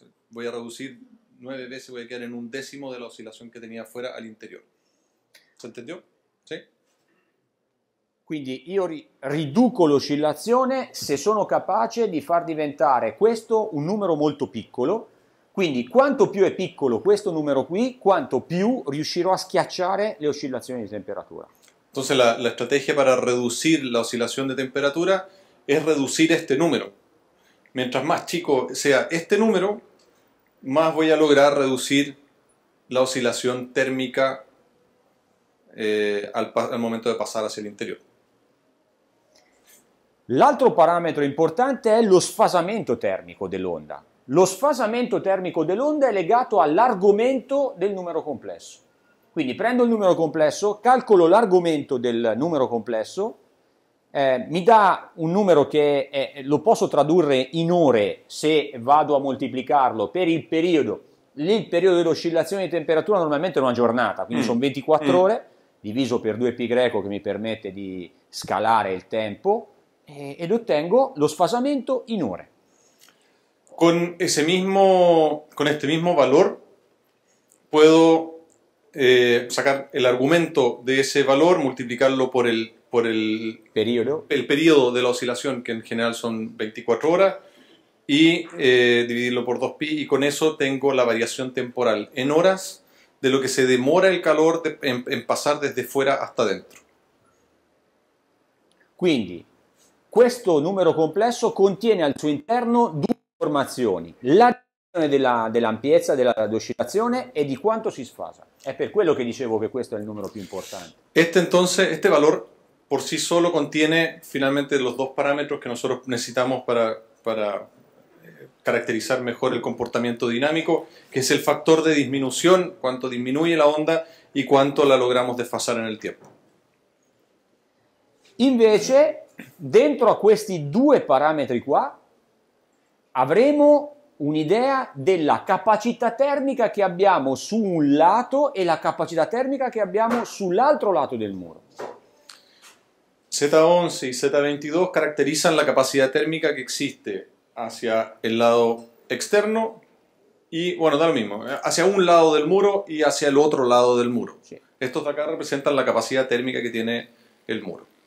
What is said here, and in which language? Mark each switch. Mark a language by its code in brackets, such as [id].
[es] Voy a reducir 9 veces, voy a quedar en un décimo de la oscilación que tenía afuera al interior. ¿Se entendió? Sì. [it] Quindi io riduco l'oscillazione se sono capace di far diventare questo un numero molto piccolo. Quindi quanto più è piccolo questo numero qui, quanto più riuscirò a schiacciare le oscillazioni di temperatura. [es] Entonces la estrategia para reducir la oscilación de temperatura es reducir este número. Mientras más chico sea este número, más voy a lograr reducir la oscilación térmica. [it] Al momento de passare hacia l'interno. L'altro parametro importante è lo sfasamento termico dell'onda. Lo sfasamento termico dell'onda è legato all'argomento del numero complesso. Quindi prendo il numero complesso, calcolo l'argomento del numero complesso, mi dà un numero che lo posso tradurre in ore se vado a moltiplicarlo per il periodo. Lì il periodo dell'oscillazione di temperatura normalmente è una giornata, quindi sono 24 ore, diviso per 2π greco che mi permette di scalare il tempo. Ed ottengo lo sfasamento in ore. [es] Con este mismo valor puedo sacar el argumento de ese valor, multiplicarlo por Periodo. el periodo de la oscilación, que en general son 24 horas, y dividirlo por 2π, y con eso tengo la variación temporal en horas de lo que se demora el calor en pasar desde fuera hasta dentro. [it] Quindi questo numero complesso contiene al suo interno due informazioni, la dimensione dell'ampiezza dell'oscillazione e di quanto si sfasa. È per quello che dicevo che questo è il numero più importante. [es] Este valor por sí solo contiene finalmente los dos parámetros que nosotros necesitamos para caracterizar mejor el comportamiento dinámico, que es el factor de disminución, cuánto disminuye la onda y cuánto la logramos desfasar en el tiempo. [it] Invece, dentro a questi due parametri qua avremo un'idea della capacità termica che abbiamo su un lato e la capacità termica che abbiamo sull'altro lato del muro. [es] Zeta 11 y Zeta 22 caracterizan la capacidad térmica que existe hacia el lado externo y, bueno, da lo mismo, hacia un lado del muro y hacia el otro lado del muro. Sí. Estos de acá representan la capacidad térmica que tiene el muro.